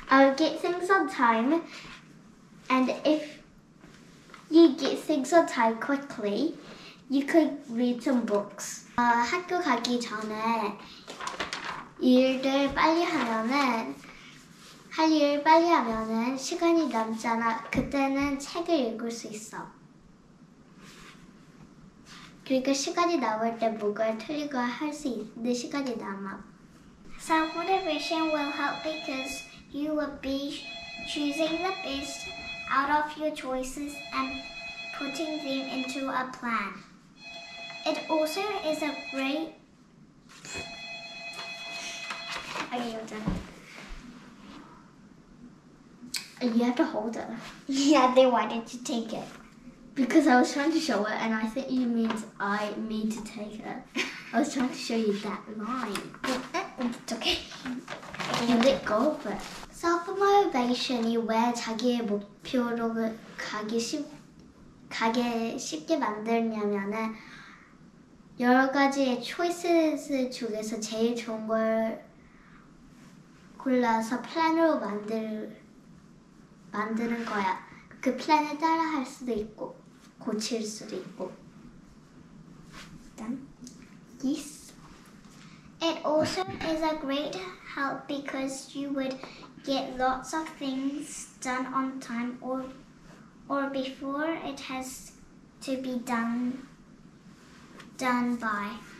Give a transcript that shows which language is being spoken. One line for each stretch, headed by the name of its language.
English: I'll get things on time, and if you get things on time quickly, you could read some books.
Korean: 학교 가기 전에 일들 빨리 하면은 할 일 빨리 하면은 시간이 남잖아. 그때는 책을 읽을 수 있어. 그리고 시간이 남을 때 뭔가 틀리고 할 수 있는 시간이 남아.
English: So motivation will help because you will be choosing the best out of your choices and putting them into a plan. It also is a great... Are you done? You have to hold it. Yeah, then why did you take it? Because I was trying to show it and I think you mean I mean to take it. I was trying to show you that line. It's okay. You let go of it.
Korean: Self-motivation이 왜 자기의 목표로 가기 쉽게 만들냐면은 여러 가지의 choices 중에서 제일 좋은 걸 골라서 plan으로 만드는 거야. 그 플랜을 따라 할 수도 있고 고칠 수도 있고. 일단
English: yes. It also is a great help because you would get lots of things done on time or before it has to be done by.